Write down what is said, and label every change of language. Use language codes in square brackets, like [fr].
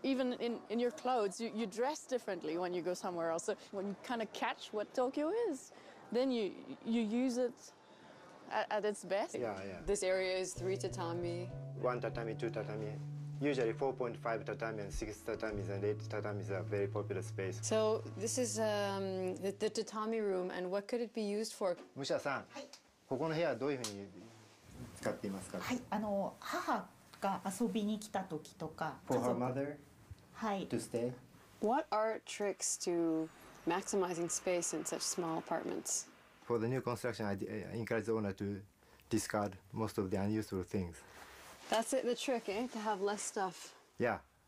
[en] Even in your clothes, you dress differently when you go somewhere else. So when you kind of catch what Tokyo is, then you use it at its best. Yeah, yeah. This area is 3 tatami. 1 tatami, 2 tatami. Usually 4.5 tatami and 6 tatami and 8 tatami is a very popular space. So this is the tatami room, and what could it be used for? [ja] Musha-san, ここの部屋どういうふうに使っていますか？はい、あの、母が遊びに来た時とか、 [en] For her mother? [ja] はい。 [en] To stay? What are tricks to maximizing space in such small apartments? For the new construction, I encourage the owner to discard most of the unusual things. That's it, the trick, eh? To have less stuff. Yeah.